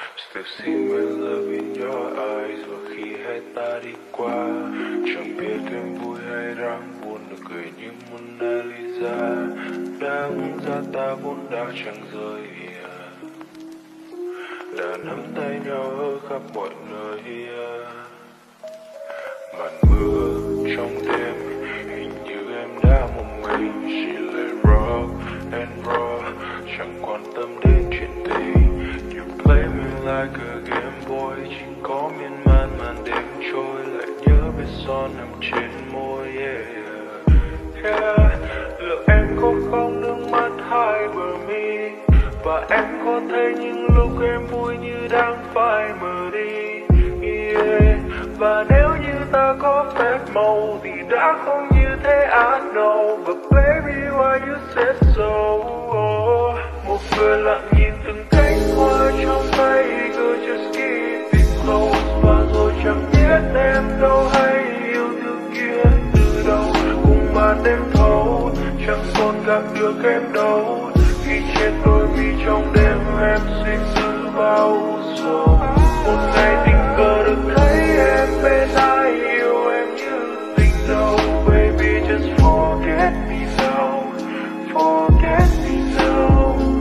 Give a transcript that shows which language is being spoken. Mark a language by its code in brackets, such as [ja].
[en] Still see my love in your eyes. [vi] Mỗi khi hai ta đi qua, chẳng biết em vui hay đang buồn, nụ cười như Mona Lisa. Đáng ra ta vốn đã chẳng rời đã nắm tay nhau ở khắp mọi nơi. Màn mưa trong đêm, hình như em đã một mình. Chỉ lệ rock and roll, chẳng quan tâm đến chuyện tình. [en] You play me like a game boy, [vi] chỉ có miên man màn đêm trôi. Lại nhớ vết son nằm trên môi. Yeah, yeah. Liệu em có không nước mắt hai bờ mi, và em có thấy những lúc em vui như đang phai mờ đi. Yeah. Và nếu như ta có phép màu thì đã không như thế. [en] I know, but baby why you said so. [vi] Một người lặng nhìn từng cánh hoa trong tay, [en] girl just keep it close. [vi] Và rồi chẳng biết em đâu hay yêu thương kia từ đâu. Cùng màn đêm thâu, chẳng còn gặp được em đâu. Khi trên đôi mi trong đêm em suy tư bao sâu. Một ngày tình cờ được thấy em bên ai, yêu em như tình đầu. [en] Baby just forget me now, forget me now.